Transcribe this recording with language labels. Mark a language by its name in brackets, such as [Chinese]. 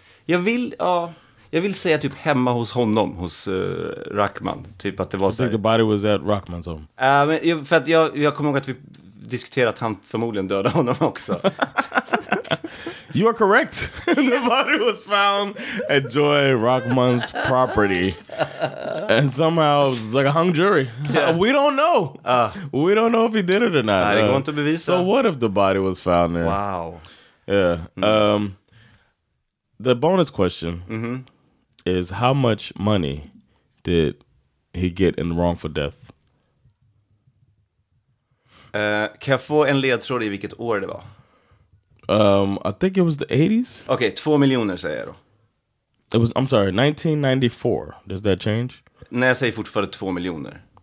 [Swedish] Jag vill säga typ hemma hos honom, hos Rackman, typ att det var så. [English] The body was at Rackman's home. [Swedish] Men för att jag kommer ihåg att vi diskuterade att han förmodligen dödade honom också. [English] You are correct. The body was found at Joy Rockman's property. And somehow it was like a hung jury. Yeah. We don't know. We don't know if he did it or not. [Swedish] Det går inte att bevisa. [English] So what if the body was found there? Wow. Yeah. Mm. The bonus question is how much money did he get in wrongful death? [Swedish] Kan jag få en ledtråd i vilket år det var? [English] I think it was the 80s. [Swedish] Okay, 2 miljoner säger jag då. [English] It was, I'm sorry, 1994. Does that change? [Swedish] Nej, jag säger fortfarande 2 miljoner.